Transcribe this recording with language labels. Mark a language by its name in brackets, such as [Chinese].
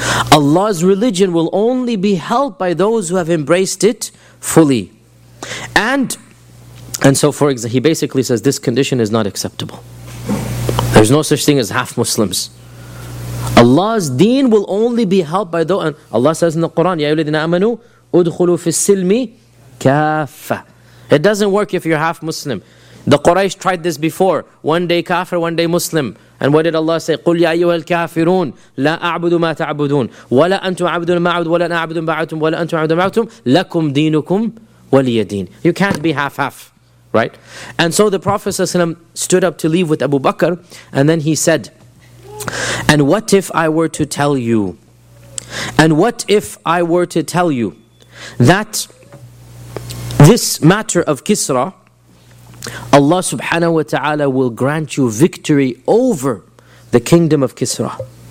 [English] Allah's religion will only be helped by those who have embraced it fully. And so, for example, he basically says this condition is not acceptable. There's no such thing as half Muslims. Allah's deen will only be helped by those. And Allah says in the Quran, [Arabic] يَا أَيُّهَا الَّذِينَ آمَنُوا أُدْخُلُوا فِي السِّلْمِ كَافَّةً. [English] It doesn't work if you're half Muslim. The Quraysh tried this before. One day kafir, one day Muslim. And what did Allah say? [Arabic] قُلْ يَا أَيُّهَا الْكَافِرُونَ لَا أَعْبُدُ مَا تَعْبُدُونَ وَلَا أَنْتُمْ عَبْدُونَ مَا عَبْدُ وَلَا أَعْبُدُ مَا عَبْدُتُمْ وَلَا أَنْتُمْ عَبْدُونَ مَا عَبْدُتُمْ لَكُمْ دِينُكُمْ وَلِيَ دِينِ. [English] You can't be half-half, right? And so the Prophet ﷺ stood up to leave with Abu Bakr, and then he said, and what if I were to tell you, and what if I were to tell you that this matter of Kisra, Allah subhanahu wa ta'ala will grant you victory over the kingdom of Kisra.